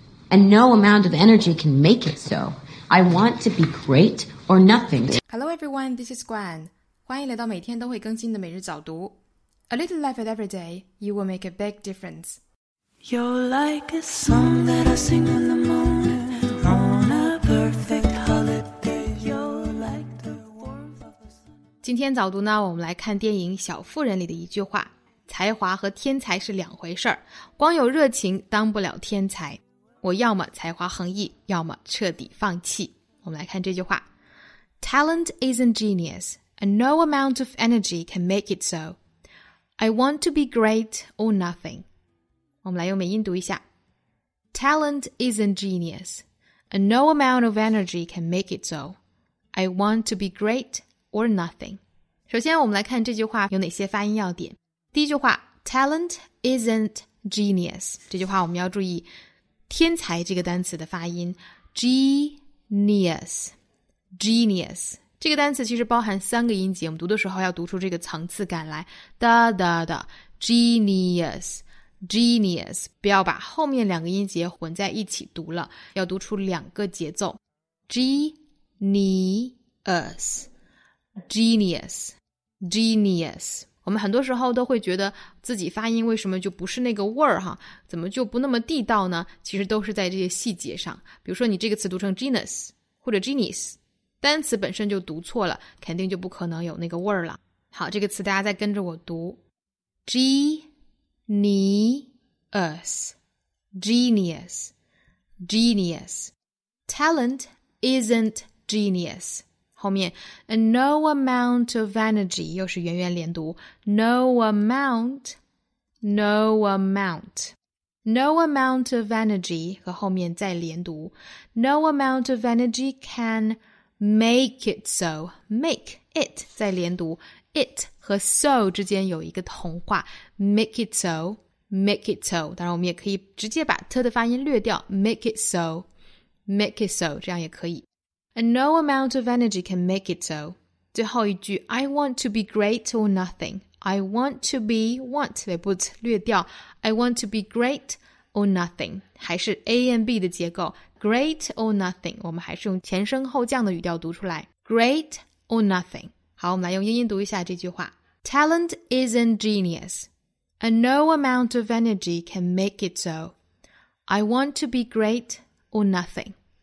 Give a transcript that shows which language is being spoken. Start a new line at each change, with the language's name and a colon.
English: And no amount of energy can make it so. I want to be great or nothing. Hello everyone, this is Gwen.
Chinese: 欢迎来到每天都会更新的每日早读。
English: A little life at every day, you will make a big difference. You're like a song that I sing in the morning on a perfect holiday. You're like the warmth of the sun.
Chinese: 今天早读呢，我们来看电影《小妇人》里的一句话：才华和天才是两回事儿，光有热情当不了天才。我要么才华横溢，要么彻底放弃。我们来看这句话
English: ：Talent isn't genius, and no amount of energy can make it so. I want to be great or nothing.
Chinese: 我们来用美音读一下
English: ：Talent isn't genius, and no amount of energy can make it so. I want to be great or nothing.
Chinese: 首先，我们来看这句话有哪些发音要点。第一句话
English: ：Talent isn't genius.
Chinese: 这句话我们要注意。天才这个单词的发音 genius genius 这个单词其实包含三个音节，我们读的时候要读出这个层次感来
English: da da da genius genius，
Chinese: 不要把后面两个音节混在一起读了，要读出两个节奏 genius genius genius。我们很多时候都会觉得自己发音为什么就不是那个味儿哈，怎么就不那么地道呢？其实都是在这些细节上。比如说你这个词读成 genus 或者 genius， 单词本身就读错了，肯定就不可能有那个味儿了。好，这个词大家再跟着我读 genius genius genius。
English: Talent isn't genius，后面 and no amount of energy
Chinese: 又是圆圆连读
English: no amount no amount no amount of energy 和后面再连读 no amount of energy can make it so make it 再连读 it 和 so 之间有一个同化 make it so make it so，
Chinese: 当然我们也可以直接把
English: t 的发音略掉 make it so make it so， 这样也可以。 And no amount of energy can make it so.
Chinese: 最后一句
English: I want to be great or nothing. I want to be, want,
Chinese: 对不起略掉
English: I want to be great or nothing. 还是 A and B
Chinese: 的结构
English: Great or nothing.
Chinese: 我们还是用前升后降的语调读出来
English: Great or nothing.
Chinese: 好，我们来用英音读一下这句话
English: Talent isn't genius. And no amount of energy can make it so. I want to be great or nothing.